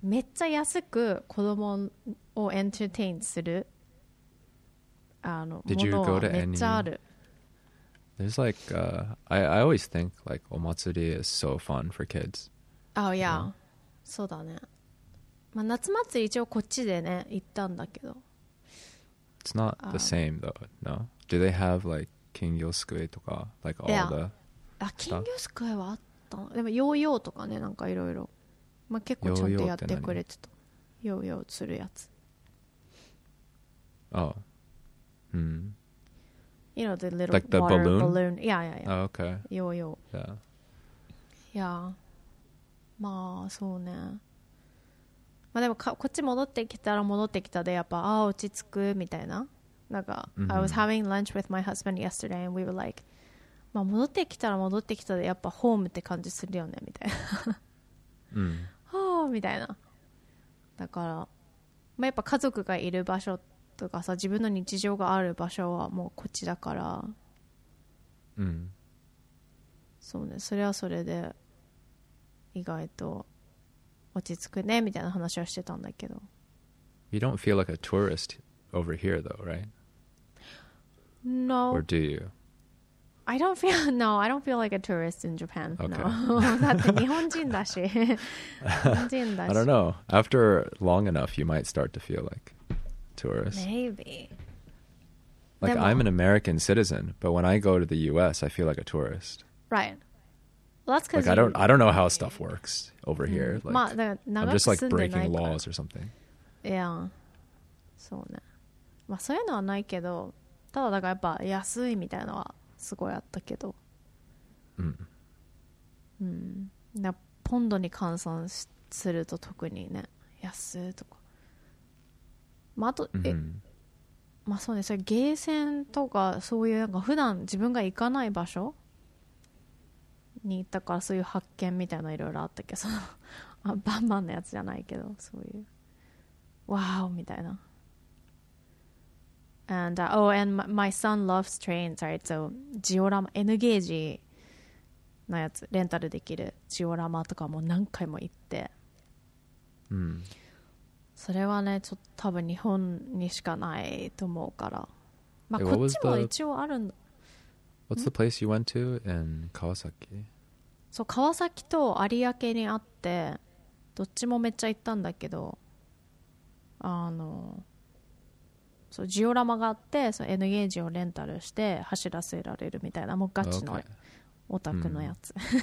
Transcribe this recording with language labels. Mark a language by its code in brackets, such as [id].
[ja] めっちゃ安く子供をエンターテインするあのものはめっちゃある。 [en] There's like, I always think like, omatsuri is so fun for kids. Oh, yeah. You know? [ja] そうだね。まあ、夏祭り一応こっちでね、行ったんだけど。 [en] It's not the same though, no? Do they have like, [ja] 金魚すくいとか、 [en] like all、yeah. the stuff? [ja] 金魚すくいはあったの。でもヨーヨーとかね、なんかいろいろ。まあ結構ちゃんとやってくれてた。ヨーヨー釣るやつ。 [en] Oh. Hmm. You know, the little like the water balloon? Balloon. Yeah, yeah, yeah. Oh, okay. Yo, yo. Yeah. [ja] Yeah. まあ、そうね。まあ、でもこっち戻ってきたら戻ってきたで、やっぱ、ああ、落ち着くみたいな。 [en] なんか、mm-hmm. I was having lunch with my husband yesterday and we were like, [ja] まあ、戻ってきたら戻ってきたで、やっぱ、ホームって感じするよね、みたいな。うん。ああ、みたいな。だから、まあ、やっぱ家族がいる場所って、とかさ、自分の日常がある場所はもうこっちだから、うん、そうね、それはそれで意外と落ち着くねみたいな話はしてたんだけど。 [en] You don't feel like a tourist over here though, right? No. Or do you? I don't feel, no, I don't feel like a tourist in Japan. Okay. [ja] No. だって日本人だし。日本人だし。 [en] I don't know. After long enough, you might start to feel likeTourist. Maybe. Like, I'm an American citizen, but when I go to the US, I feel like a tourist. Right. Well, that's because like, I don't know how stuff works over here. Like, I'm just like breaking laws or something. [ja] Yeah. そうね。まあ、そういうのはないけど、ただだからやっぱ安いみたいなのはすごいあったけど。うん。うん。ポンドに換算すると特にね、安いとか。まあ、あと、 mm-hmm. まあそうね、それゲーセンとかそういうなんか普段自分が行かない場所に行ったから、そういう発見みたいないろいろあったけど、そのバンバンのやつじゃないけど、そういうワーオみたいな。 [en] And、oh, and my son loves trains, right? [ja] So ジオラマ N ゲージのやつレンタルできるジオラマとかも何回も行って、うん、mm. それはね、ちょっと多分日本にしかないと思うから。まあ、こっちも一応あるんだ。 [en] What's the place you went to in 川崎？ [ja] そう、川崎と有明にあって、どっちもめっちゃ行ったんだけど、あの、そう、ジオラマがあって、そう、N ゲージをレンタルして走らせられるみたいな、もうガチのオタクのやつ。